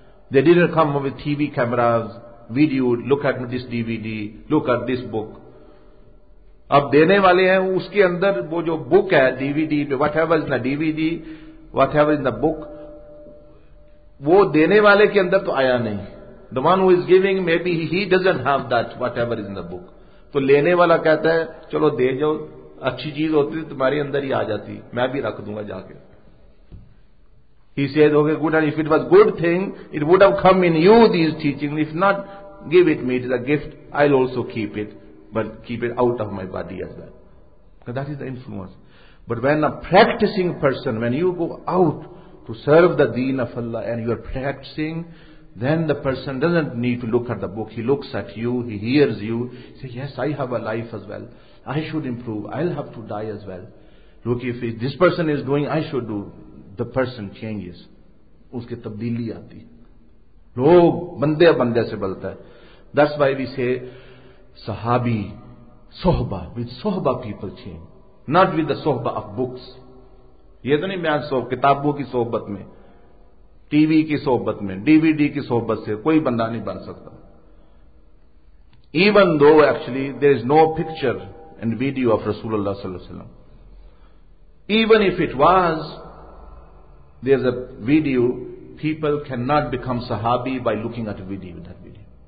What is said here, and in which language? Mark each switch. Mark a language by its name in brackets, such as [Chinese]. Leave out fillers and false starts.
[English] They didn't come with TV cameras, video, look at this DVD, look at this book. [Urdu] اب دینے والے ہیں اس کے اندر وہ جو بک ہے DVD, [English] whatever is in the DVD, whatever is in the book, [Urdu] وہ دینے والے کے اندر تو آیا نہیں. [English] The one who is giving, maybe he doesn't have that, whatever is in the book. [Urdu] تو لینے والا کہتا ہے چلو دے جاؤ, اچھی چیز ہوتی تمہارے اندر ہی آ جاتی, میں بھی رکھ دوں گا جا کے. [English] He said, okay, good, and if it was good thing, it would have come in you, these teachings. If not, give it me, it is a gift, I'll also keep it, but keep it out of my body as well. Because that is the influence. But when a practicing person, when you go out to serve the deen of Allah and you are practicing, then the person doesn't need to look at the book, he looks at you, he hears you, he says, yes, I have a life as well, I should improve, I'll have to die as well. Look, if this person is doing, I should do. The person changes, [Urdu] اس کی تبدیلی آتی ہے, لوگ بندے بندے سے بدلتا ہے. [English] That's why we say صحابی صحبہ, with صحبہ people change, not with the صحبہ of books. [Urdu] یہ تو نہیں میں صحبہ کتابوں کی صحبت میں, TV کی صحبت میں, DVD کی صحبت سے کوئی بندہ نہیں بن سکتا. [English] Even though actually there is no picture and video of Rasulullah صلی اللہ علیہ وسلم, even if it was, there's a video, people cannot become sahabi by looking at a video, that video.